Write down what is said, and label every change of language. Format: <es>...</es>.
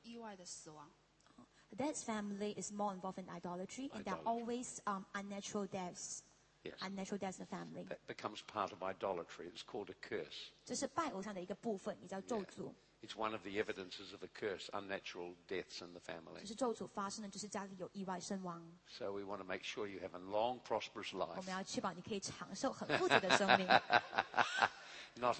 <zh>父亲那边家族会比较严重，那边他有拜偶像，然后家族有一个问题就是常常会有意外的死亡。Dad's</zh> <en>family is more involved in idolatry, and there are always unnatural deaths. Yes. Unnatural death of the family. That becomes part of idolatry. It's called a curse.</en> <zh>这是拜偶像的一个部分，你叫咒诅。</zh> <en>Yeah. It's one of the evidences of a curse, unnatural deaths in the family.</en> <zh>就是咒诅发生的，就是家里有意外身亡。So</zh> <en>we want to make sure you have a long, prosperous life.</en> <zh>我们要确保你可以长寿，很富足的生命。Not</zh>